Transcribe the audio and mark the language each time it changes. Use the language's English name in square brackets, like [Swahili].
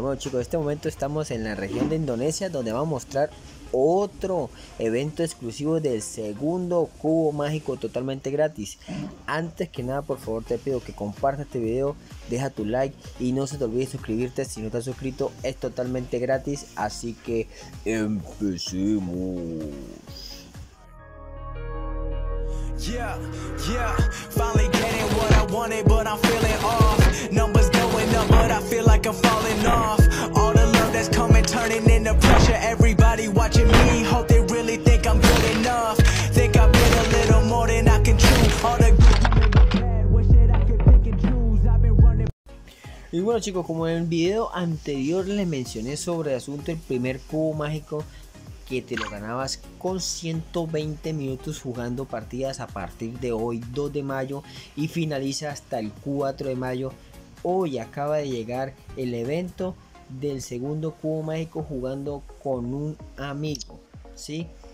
[Spanish] Bueno, chicos, en este momento estamos en la región de Indonesia, donde vamos a mostrar otro evento exclusivo del segundo cubo mágico totalmente gratis. Antes que nada, por favor, te pido que compartas este video, deja tu like y no se te olvide suscribirte si no estás suscrito. Es totalmente gratis, así que empecemos. [English] Yeah, yeah, finally getting what I wanted, but I'm feeling off. Numbers going up, but I feel like I'm falling off. All the love that's coming, turning into pressure. Everybody watching me, hope they really think I'm good enough. Think I've been a little more than I can chew. All the good in my head, wish that I could pick and choose. I've been running. [Spanish] Y bueno, chicos, como en el video anterior les mencioné sobre el asunto del primer cubo mágico, que te lo ganabas con 120 minutos jugando partidas a partir de hoy, 2 de mayo, y finaliza hasta el 4 de mayo. Hoy acaba de llegar el evento del segundo cubo mágico jugando con un amigo, ¿sí?